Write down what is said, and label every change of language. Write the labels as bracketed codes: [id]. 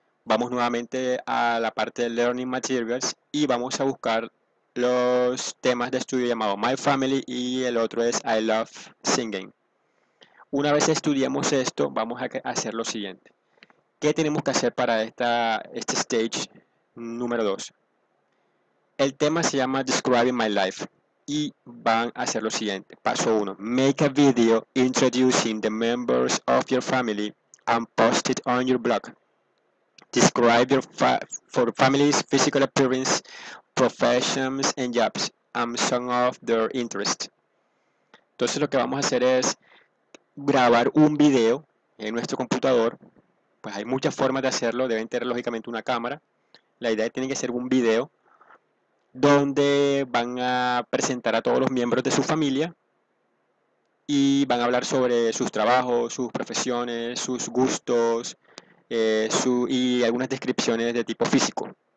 [es] Vamos nuevamente a la parte de Learning Materials y vamos a buscar los temas de estudio llamado My Family y el otro es I Love Singing. Una vez estudiemos esto, vamos a hacer lo siguiente. ¿Qué tenemos que hacer para este stage número 2? El tema se llama Describing My Life y van a hacer lo siguiente. Paso 1. [en] Make a video introducing the members of your family and post it on your blog. Describe your for family's physical appearance, professions and jobs and some of their interests. [es] Entonces lo que vamos a hacer es grabar un video en nuestro computador. Pues hay muchas formas de hacerlo, deben tener lógicamente una cámara. La idea es que tiene que ser un video donde van a presentar a todos los miembros de su familia y van a hablar sobre sus trabajos, sus profesiones, sus gustos, y algunas descripciones de tipo físico.